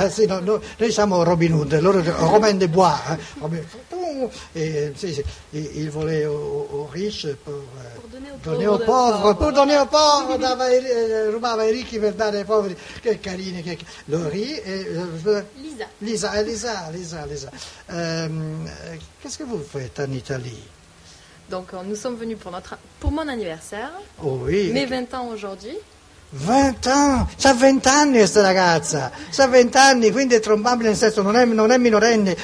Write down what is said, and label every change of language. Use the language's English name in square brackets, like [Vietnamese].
[Italian] sì, no, no, noi siamo Robin Hood, loro Robin de Bois, Robin, sì, [French] il volé au riche [Italian] per donare [French] aux pauvres, [Italian] rubava ai ricchi per dare ai poveri, che carini, che Laurie e Lisa. [French] Qu'est-ce que vous faites en Italie? Donc nous sommes venus pour mon anniversaire. Oh, oui. Mes 20 ans aujourd'hui. 20 ans, [Italian] c'ha 20 anni questa ragazza, c'ha 20 anni, quindi è trombabile, nel senso non è minorenne.